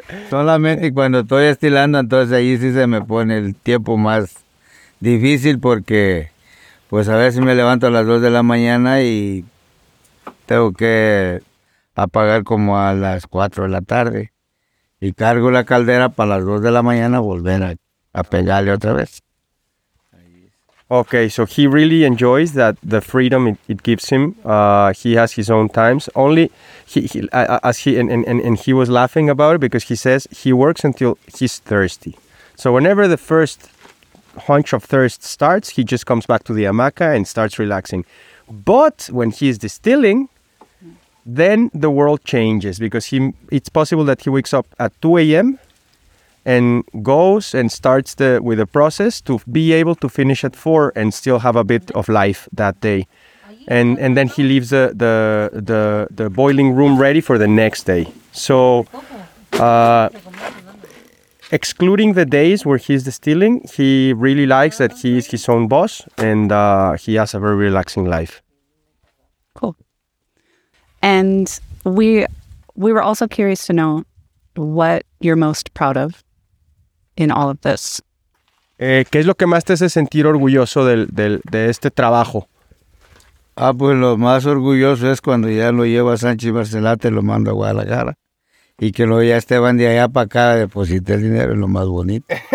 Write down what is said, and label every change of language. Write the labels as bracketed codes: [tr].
[es] Solamente cuando estoy estilando, entonces ahí sí se me pone el tiempo más difícil porque pues a veces me levanto a las 2 de la mañana y tengo que apagar como a las 4 de la tarde y cargo la caldera para las 2 de la mañana volver a pegarle otra vez. [en] Okay, so he really enjoys that the freedom it gives him. He has his own times. Only he was laughing about it because he says he works until he's thirsty. So whenever the first hunch of thirst starts, he just comes back to the hamaca and starts relaxing. But when he's distilling, then the world changes because it's possible that he wakes up at 2 a.m. and goes and starts with the process to be able to finish at 4 and still have a bit of life that day. And then he leaves the boiling room ready for the next day. So excluding the days where he's distilling, he really likes that he is his own boss and he has a very relaxing life. Cool. And we were also curious to know what you're most proud of in all of this. [es] ¿Qué es lo que más te hace sentir orgulloso de este trabajo? Ah, pues lo más orgulloso es cuando ya lo llevo a Sánchez y Barcelá, te lo mando a Guadalajara. Y que luego ya Esteban de allá para acá deposite el dinero, es lo más bonito.